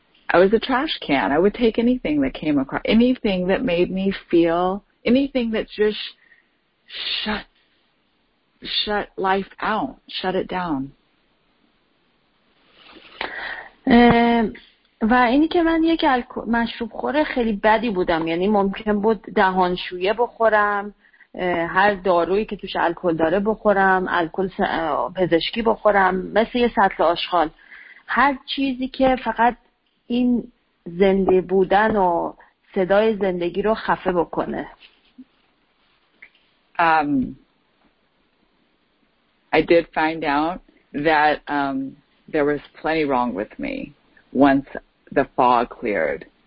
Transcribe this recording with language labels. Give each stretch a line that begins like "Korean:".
English: I was a trash can. I would take anything that came across, anything that made me feel, anything that just shut life out, shut it down.
Persian: و اینی که من یک مشروب خوره خیلی بدی بودم. یعنی ممکن بود دهانشویه بخورم, هر دارویی که توش الکل داره بخورم, الکل پزشکی بخورم, مثل یه سطل آشغال. هر چیزی که فقط این زنده بودن و صدای زندگی رو خفه بکنه.
English: I did find out that there was plenty wrong with me once the fog cleared.